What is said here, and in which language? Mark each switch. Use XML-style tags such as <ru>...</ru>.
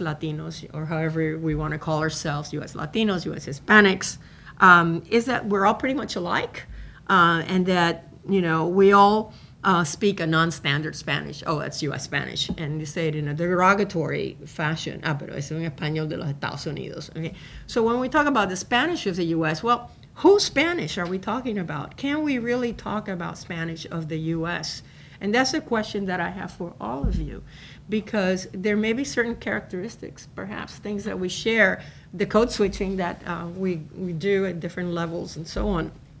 <en>Latinos, or however we want to call ourselves, U.S. Latinos, U.S. Hispanics, is that we're all pretty much alike, and that, you know, we all speak a non-standard Spanish. Oh, that's U.S. Spanish. And you say it in a derogatory fashion.</en> <es>Ah, pero es un español de los Estados Unidos.</es> <en>Okay. So when we talk about the Spanish of the U.S., well, whose Spanish are we talking about? Can we really talk about Spanish of the U.S.? And that's a question that I have for all of you, because there may be certain characteristics, perhaps things that we share, the code switching that we do at different levels and so on.</en>